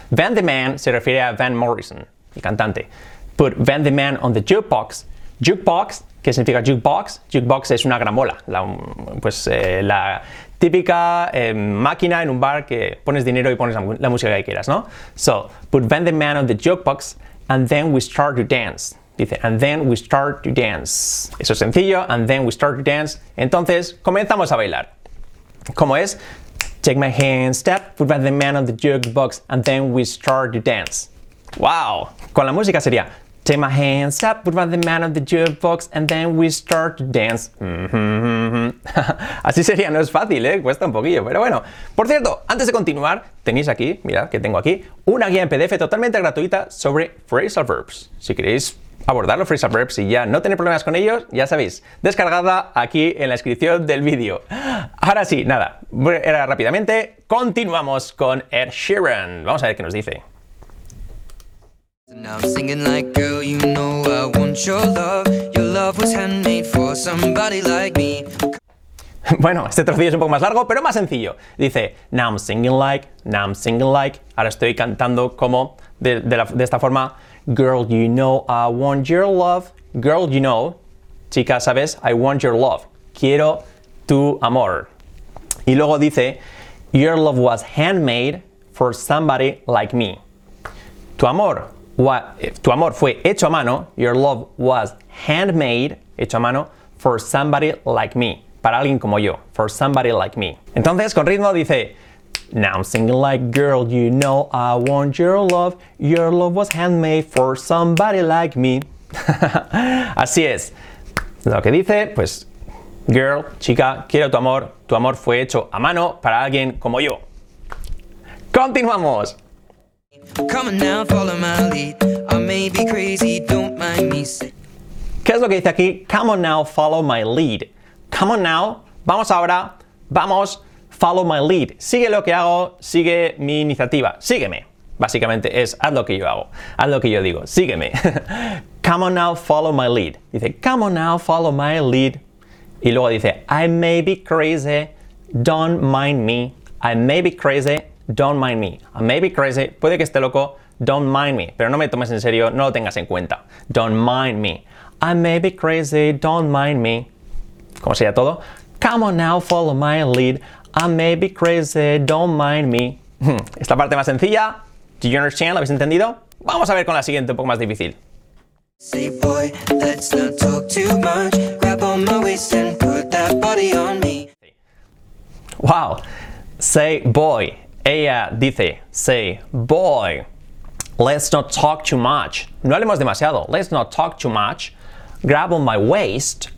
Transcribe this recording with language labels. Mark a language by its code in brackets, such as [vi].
[es] Van the Man se refiere a Van Morrison, el cantante. [en] Put Van the Man on the jukebox. [es] Jukebox, ¿qué significa jukebox? Jukebox es una gramola, la típica máquina en un bar que pones dinero y pones la música que quieras, ¿no? [en] So, put Van the Man on the jukebox and then we start to dance. [es] Dice, [en] and then we start to dance. [es] Eso es sencillo, [en] and then we start to dance. [es] Entonces, comenzamos a bailar. ¿Cómo es? [en] Take my hand, step, put Van the Man on the jukebox and then we start to dance. ¡Wow! [es] Con la música sería, [en] take my hand, step, put Van the Man on the jukebox and then we start to dance. [es] Así sería, no es fácil, ¿eh? Cuesta un poquillo, pero bueno. Por cierto, antes de continuar, tenéis aquí, mirad que tengo aquí, una guía en PDF totalmente gratuita sobre phrasal verbs. Si queréis abordar los phrasal verbs y ya no tener problemas con ellos, ya sabéis, descargada aquí en la descripción del vídeo. Ahora sí, nada, era rápidamente, continuamos con Ed Sheeran. Vamos a ver qué nos dice. [en] Now I'm singing like, girl, you know I want your love. Your love was handmade for somebody like me. [es] Bueno, este trocillo es un poco más largo, pero más sencillo. Dice, [en] now I'm singing like, now I'm singing like. [es] Ahora estoy cantando como, de esta forma. [en] Girl, you know I want your love. Girl, you know. [es] Chica, ¿sabes? [en] I want your love. [es] Quiero tu amor. Y luego dice, [en] your love was handmade for somebody like me. [es] Tu amor. Tu amor fue hecho a mano, [en] your love was handmade, [es] hecho a mano, [en] for somebody like me, [es] para alguien como yo, for somebody like me. Entonces, con ritmo dice, [en] now I'm singing like, girl, you know I want your love was handmade for somebody like me. [es] Así es, lo que dice, pues, girl, chica, quiero tu amor fue hecho a mano para alguien como yo. ¡Continuamos! [en] Come on now, follow my lead. I may be crazy, don't mind me. [es] ¿Qué es lo que dice aquí? [en] Come on now, follow my lead. Come on now, [es] vamos ahora, vamos, [en] follow my lead. [es] Sigue lo que hago, sigue mi iniciativa, sígueme. Básicamente es, haz lo que yo hago, haz lo que yo digo, sígueme. [en] Come on now, follow my lead. [es] Dice, [en] come on now, follow my lead. [es] Y luego dice, [en] I may be crazy, don't mind me. I may be crazy. Don't mind me. I may be crazy. [es] Puede que esté loco. [en] Don't mind me. [es] Pero no me tomes en serio. No lo tengas en cuenta. [en] Don't mind me. I may be crazy. Don't mind me. [es] ¿Cómo sería todo? [en] Come on now, follow my lead. I may be crazy. Don't mind me. [es] Esta parte más sencilla. [en] Do you understand? [es] ¿Lo habéis entendido? Vamos a ver con la siguiente, un poco más difícil. [en] Say boy, let's not talk too much. Grab on my waist and put that body on me. Wow. Say boy. [es] Ella dice, [en] say, boy, let's not talk too much. [es] No hablemos demasiado. [en] Let's not talk too much. Grab on my waist.